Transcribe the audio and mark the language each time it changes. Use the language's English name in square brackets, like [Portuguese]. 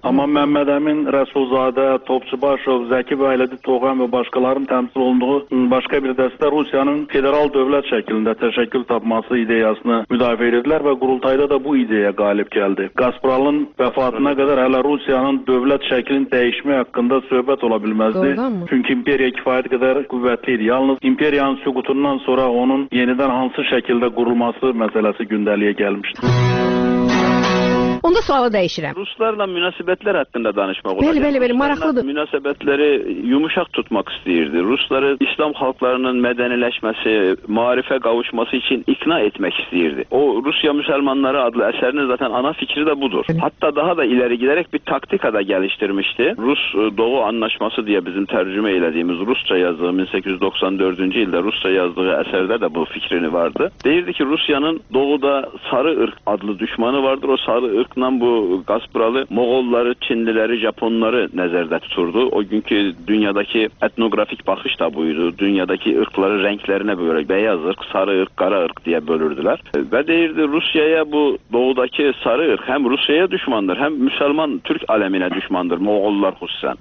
[Turkish] Ama Mehmet Emin, Resulzade, Topçubaşov, Zeki Beyledi, Toğan ve başkalarının temsil olunduğu başka bir deste Rusya'nın federal devlet şeklinde teşekkül tapması ideyasını müdafiye edildiler ve kurultayda da bu ideye galip geldi. Gaspral'ın vefatına kadar hala Rusya'nın devlet şeklinin değişme hakkında söhbet olabilmezdi. Çünkü imperya kifayet kadar kuvvetliydi. Yalnız imperyanın sükutundan sonra onun yeniden hansı şekilde kurulması meselesi gündeliğe gelmişti. [Azerbaijani] Onda sualı dəyişirəm. Ruslarla münasibətlər haqqında danışmaq olacaq. Bəli, maraqlıdır. Münasibətləri yumuşaq tutmaq istəyirdi. Rusları İslam xalqlarının mədəniləşməsi, marifə qavuşması üçün ikna etmək istəyirdi. O Rusya Müslümanları adlı əsərinin zaten ana fikri də budur. Bəli. [Turkish] Hatta daha da ileri giderek bir taktika da geliştirmişti. Rus-Doğu Anlaşması diye bizim [Azerbaijani] tərcümə elədiyimiz Rusça yazdığı 1894-cü ildə Rusça yazdığı əsərdə də bu fikrini vardı. Deyirdi ki, Rusiyanın Doğuda Sarı Irq adlı düşmanı vardır. O Sarı Irq [Turkish] tarafından bu gaz kuralı Moğolları, Çinlileri, Japonları nezerde tuturdu. O günkü dünyadaki etnografik bakış da buydu. Dünyadaki ırkları renklerine böyle beyaz ırk, sarı ırk, kara ırk diye bölürdüler. Ve deyirdi Rusya'ya bu doğudaki sarı ırk hem Rusya'ya düşmandır hem Müslüman Türk alemine düşmandır Moğollar hususen.